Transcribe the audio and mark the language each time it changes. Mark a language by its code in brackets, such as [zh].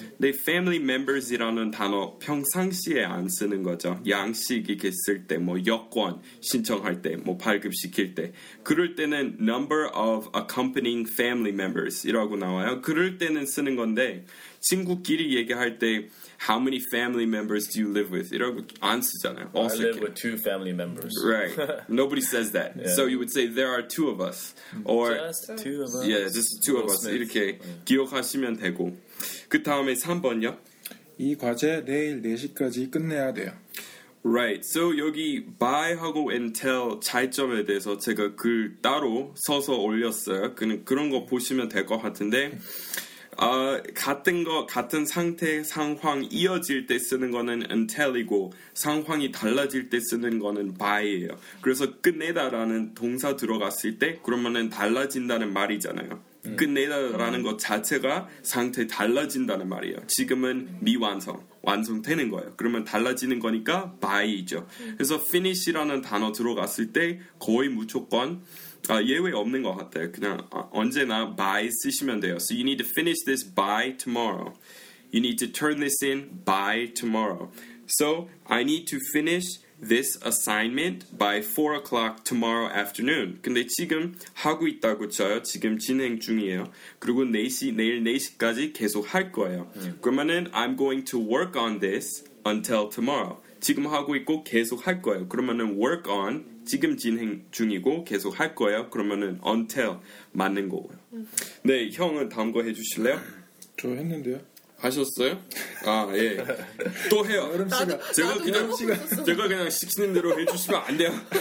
[ko] 근데 family members이라는 단어 평상시에 안 쓰는 거죠. 양식 이렇게 쓸 때, 뭐 여권 신청할 때, 뭐 발급 시킬 때, 그럴 때는 [en] number of accompanying family members [ko] 이라고 나와요. 그럴 때는 쓰는 건데 친구끼리 얘기할 때. [en] How many family members do you live with? [ko] 이러고 안 쓰잖아요. [en] I live with two family members. Right. Nobody says that. Yeah. So you would say there are two of us. Or, just two of us. Yeah, just two of us. [ko] 이렇게 기억하시면 되고. 그 다음에 3번요. 이 과제 내일 4시까지 끝내야 돼요. [en] Right. [ko] So 여기 by 하고 until 차이점에 대해서 제가 글 따로 써서 올렸어요. 그런 거 보시면 될 것 같은데 같은 거 같은 상태 상황 이어질 때 쓰는 거는 until이고 상황이 달라질 때 쓰는 거는 by예요. 그래서 끝내다라는 동사 들어갔을 때 그러면은 달라진다는 말이잖아요. 끝내다라는 것 자체가 상태 달라진다는 말이에요. 지금은 미완성 완성되는 거예요. 그러면 달라지는 거니까 by죠. 그래서 finish라는 단어 들어갔을 때 거의 무조건 예외 없는 것 같아요. 그냥 언제나 by 쓰시면 돼요. [en] So you need to finish this by tomorrow. You need to turn this in by tomorrow. So I need to finish this assignment by 4 o'clock tomorrow afternoon. [ko] 근데 지금 하고 있다고 쳐요. 지금 진행 중이에요. 그리고 4시, 내일 4시까지 계속 할 거예요. 그러면은 [en] I'm going to work on this until tomorrow. [ko] 지금 하고 있고 계속 할 거예요. 그러면은 work on 지금 진행 중이고 계속 할 거예요. 그러면은 until 맞는 거고요. 네, 형은 다음 거 해주실래요? 저 했는데요. 하셨어요? 아, 예. 또 해요. 나, 제가 그냥 시간 제가 그냥 시키는 대로 해주시면 안 돼요.